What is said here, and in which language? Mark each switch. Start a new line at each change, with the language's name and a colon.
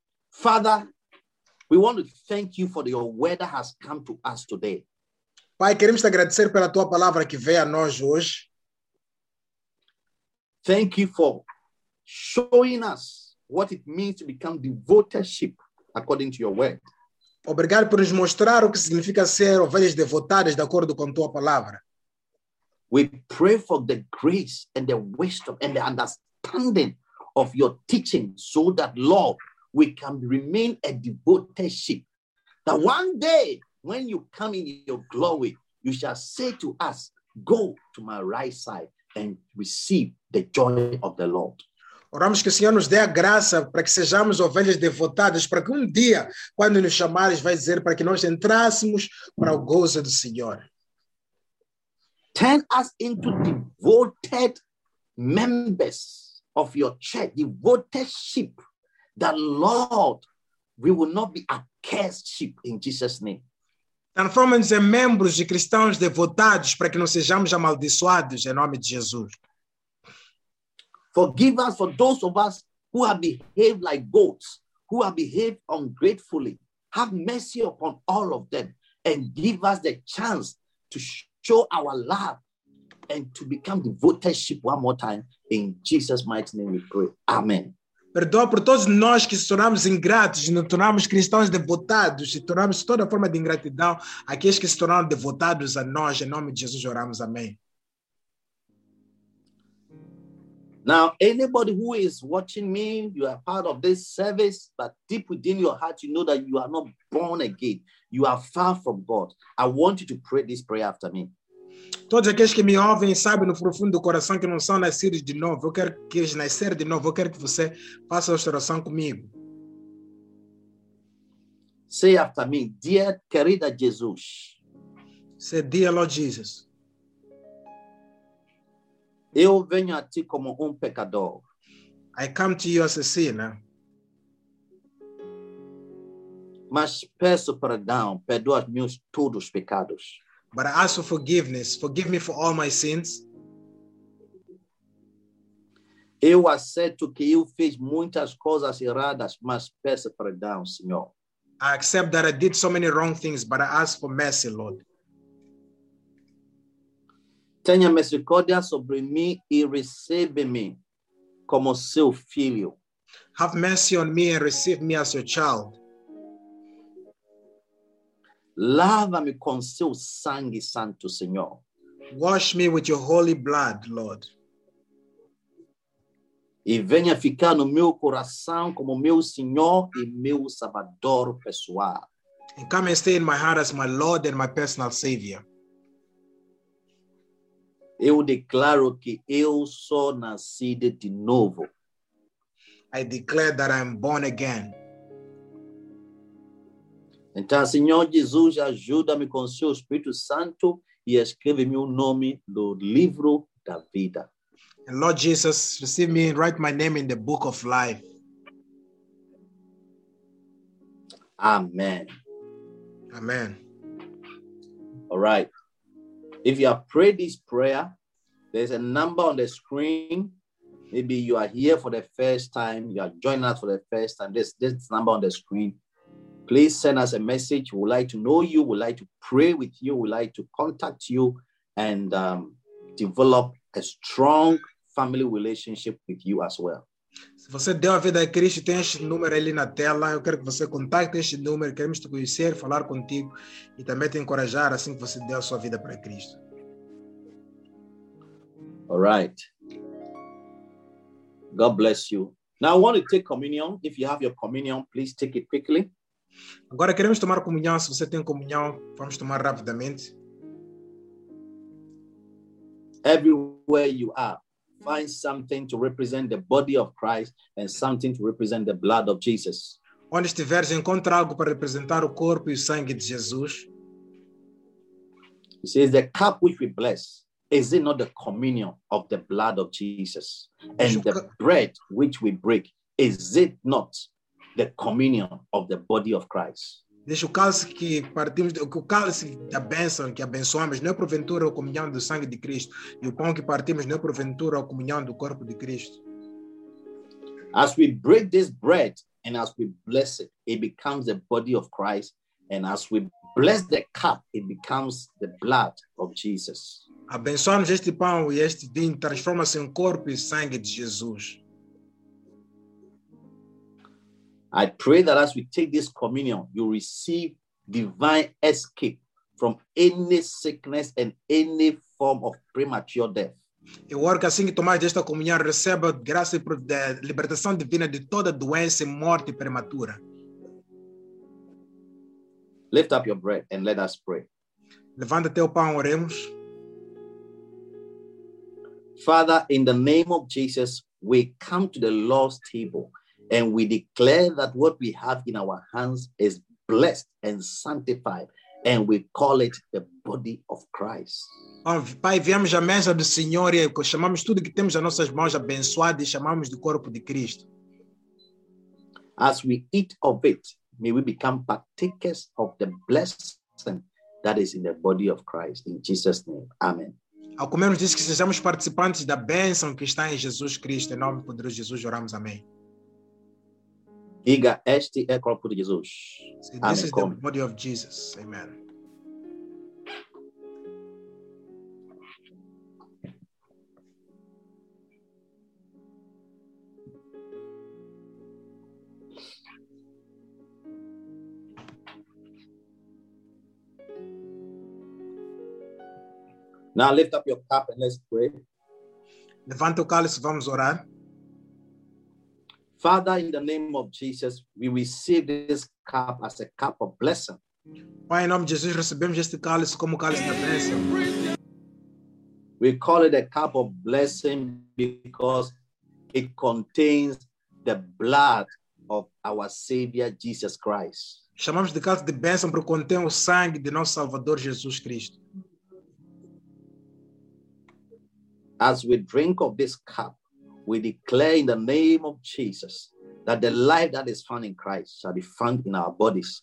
English: Father, we want to thank you for your word that has come to us today.
Portuguese: Pai, queremos te agradecer pela tua palavra que veio a nós hoje.
English: Thank you for showing us what it means to become devoted sheep according to your word.
Portuguese: Obrigado por nos mostrar o que significa ser ovelhas devotadas de acordo com tua palavra.
English: We pray for the grace and the wisdom and the understanding of your teaching so that, Lord, we can remain a devoted sheep. That one day when you come in your glory, you shall say to us, go to my right side and receive the joy of the Lord.
Portuguese: Oramos que o Senhor nos dê a graça para que sejamos ovelhas devotadas, para que um dia, quando nos chamares, vai dizer para que nós entrássemos para o gozo do Senhor.
English: Turn us into devoted members of your church, devoted sheep, that, Lord, we will not be a cursed sheep in Jesus' name.
Portuguese: Transforma-nos em membros de cristãos devotados para que não sejamos amaldiçoados em nome de Jesus.
English: Forgive us for those of us who have behaved like goats, who have behaved ungratefully. Have mercy upon all of them and give us the chance to show our love and to become devoted sheep one more time. In Jesus' mighty name we pray. Amen.
Portuguese: Perdoa por todos nós que se tornamos ingratos e nos tornamos cristãos devotados e tornamos toda forma de ingratidão àqueles que se tornaram devotados a nós. Em nome de Jesus, oramos. Amém.
English: Now, anybody who is watching me, you are part of this service, but deep within your heart, you know that you are not born again. You are far from God. I want you to pray this prayer after me.
Portuguese: Todos aqueles que me ouvem sabem no profundo do coração que não são nascidos de novo. Eu quero que eles nasceram de novo. Eu quero que você faça a oração comigo.
English: Say after me, dear querida Jesus. Say, dear Lord Jesus.
Portuguese: Eu venho a ti como pecador.
English: I come to you as a sinner.
Portuguese: Mas peço perdão, perdoa meus todos os pecados.
English: But I ask for forgiveness. Forgive me for all my sins.
Portuguese: Eu aceito que eu fiz muitas coisas erradas, mas peço perdão, Senhor.
English: I accept that I did so many wrong things, but I ask for mercy, Lord.
Portuguese: Tenha misericórdia sobre mim e receba-me como seu filho.
English: Have mercy on me and receive me as your child.
Portuguese: Lava-me com seu sangue santo, Senhor.
English: Wash me with your holy blood, Lord.
Portuguese: E venha ficar no meu coração como meu Senhor e meu Salvador pessoal.
English: And come and stay in my heart as my Lord and my personal Savior.
Portuguese: Eu declaro que eu sou nascido de novo.
English: I declare that I am born again.
Portuguese: Então, Senhor Jesus, ajuda-me com o seu Espírito Santo e escreve-me o nome do livro da vida.
English: And Lord Jesus, receive me and write my name in the book of life. Amen. Amen. All right. If you have prayed this prayer, there's a number on the screen. Maybe you are here for the first time. You are joining us for the first time. This number on the screen. Please send us a message. We'd like to know you. We'd like to pray with you. We'd like to contact you and develop a strong family relationship with you as well.
Portuguese: Se você deu a vida a Cristo, tem este número ali na tela. Eu quero que você contacte este número. Queremos te conhecer, falar contigo e também te encorajar assim que você deu a sua vida para Cristo.
English: All right. God bless you. Now I want to take communion. If you have your communion, please take it quickly.
Portuguese: Agora queremos tomar comunhão. Se você tem comunhão, vamos tomar rapidamente.
English: Everywhere you are, find something to represent the body of Christ and something to represent the blood of Jesus.
Portuguese: Onde estiveres, encontra algo para representar o corpo e o sangue de Jesus.
English: He says, the cup which we bless, is it not the communion of the blood of Jesus? And the bread which we break, is it not the communion of the body of Christ?
Portuguese: Deixa o cálice que partimos, o cálice da bênção que abençoamos, não é porventura a comunhão do sangue de Cristo. E o pão que partimos, não é porventura a comunhão do corpo de Cristo.
English: As we break this bread and as we bless it, it becomes the body of Christ. And as we bless the cup, it becomes the blood of Jesus.
Portuguese: Abençoamos este pão e este vinho, transforma-se em corpo e sangue de Jesus.
English: I pray that as we take this communion, you receive divine escape from any sickness and any form of premature death.
Portuguese: Eu oro que assim que tomar esta comunhão, receba graça e libertação divina de toda doença e morte prematura.
English: Lift up your bread and let us pray.
Portuguese: Levanta teu pão, oremos.
English: Father, in the name of Jesus, we come to the Lord's table. And we declare that what we have in our hands is blessed and sanctified. And we call it the body of Christ.
Portuguese: Pai, viemos à mesa do Senhor e chamamos tudo que temos nas nossas mãos abençoado e chamamos de corpo de Cristo.
English: As we eat of it, may we become partakers of the blessing that is in the body of Christ. In Jesus' name, amen.
Portuguese: Ao comermos disso, que sejamos participantes da bênção que está em Jesus Cristo. Em nome do poderoso de Jesus, oramos, amém. Diga, este é o corpo de Jesus.
English: See, this is the body of Jesus. Amen. Now lift up your cup and let's pray.
Portuguese: Levanta o cálice, vamos orar.
English: Father, in the name of Jesus, we receive this cup as a cup of blessing.
Portuguese: Pai, em nome de Jesus, recebemos este cálice como cálice da bênção.
English: We call it a cup of blessing because it contains the blood of our Savior Jesus Christ.
Portuguese: Chamamos de cálice de bênção porque contém o sangue de nosso Salvador Jesus Cristo.
English: As we drink of this cup, we declare in the name of Jesus that the life that is found in Christ shall be found in our bodies.